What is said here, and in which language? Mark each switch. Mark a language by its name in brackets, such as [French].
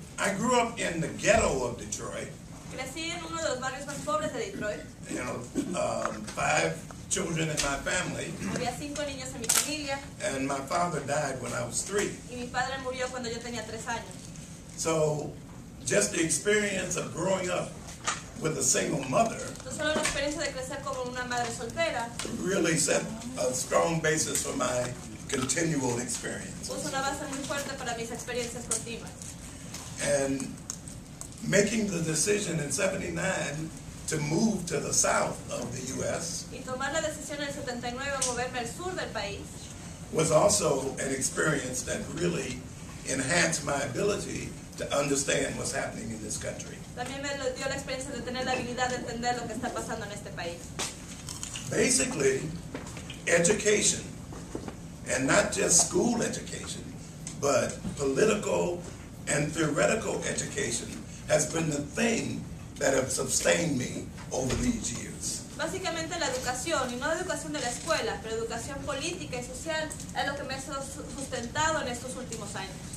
[English] I grew up in the ghetto of Detroit. [Spanish] Crecí en uno de los barrios más pobres de Detroit. [English] You know, five children in my family. [Spanish] Había cinco niños en mi familia. [English] And my father died when I was three. [Spanish] Y mi padre murió cuando yo tenía tres años. [English] So, just the experience of growing up with a single mother. [Spanish] No solo la experiencia de crecer como una madre soltera. [English] Really set a strong basis for my continual experience. [Spanish] Puso una base muy fuerte para mis experiencias continuas. [English] And making the decision in 79 to move to the south of the U.S. [Spanish] Y tomar la decisión en 79 de moverme al sur del país [English] was also an experience that really enhanced my ability to understand what's happening in this country. [Spanish] También me dio la experiencia de tener la habilidad de entender lo que está pasando en este país. [English] Basically, education, and not just school education, but political and theoretical education has been the thing that have sustained me over these years. [Spanish] Básicamente la educación, y no la educación de la escuela, pero educación política y social es lo que me ha sustentado en estos últimos años.